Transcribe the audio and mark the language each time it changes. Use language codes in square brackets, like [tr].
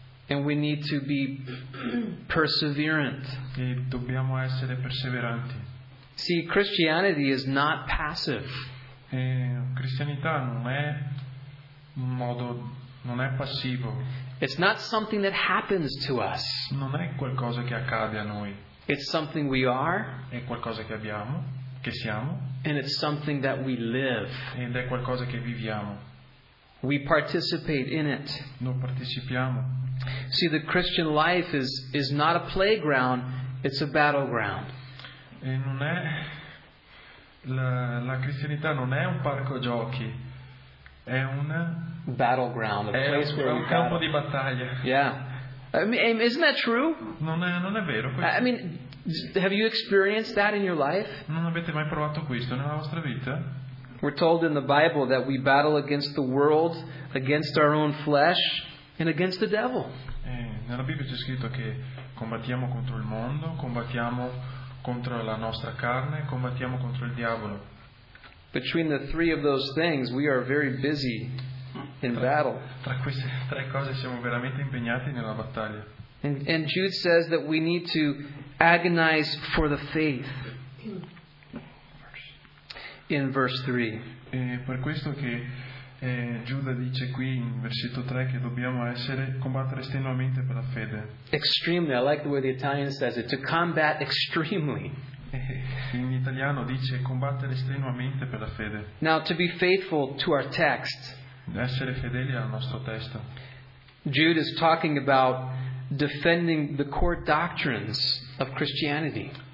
[en] And we need to be perseverant. [it] E dobbiamo essere perseveranti. [en] See, Christianity is not passive. [it] E cristianità non è un modo, non è passivo. [en] It's not something that happens to us. [it] Non è qualcosa che accade a noi. [en] It's something we are. [it] È qualcosa che abbiamo, che siamo. [en] And it's something that we live. [it] Ed è qualcosa che viviamo. [en] We participate in it. [it] Noi partecipiamo. [en] See, the Christian life is not a playground, it's a battleground. [it] E non è la cristianità non è un parco giochi. È un [en] battleground, a place where [it] un campo di battaglia. [en] Yeah. I mean, isn't that true? [it] Non è vero questo. [en] I mean, have you experienced that in your life? [it] Non avete mai provato questo nella vostra vita? [en] We're told in the Bible that we battle against the world, against our own flesh, and against the devil. [it] Nella Bibbia c'è scritto che combattiamo contro il mondo, combattiamo contro la nostra carne, combattiamo contro il diavolo. [en] Between the three of those things, we are very busy in battle. [it] Tra queste tre cose siamo veramente impegnati nella battaglia. [en] And Jude says that we need to agonize for the faith. In verse 3. [it] Per questo che Giuda dice qui in versetto 3 che dobbiamo essere combattere strenuamente per la fede. [en] Extremely, I like the way the Italian says it, to combat extremely. [it] In italiano dice combattere strenuamente per la fede. [en] Now to be faithful to our text. [it] Essere fedeli al nostro testo. [en] Jude is talking about defending the core doctrines of Christianity.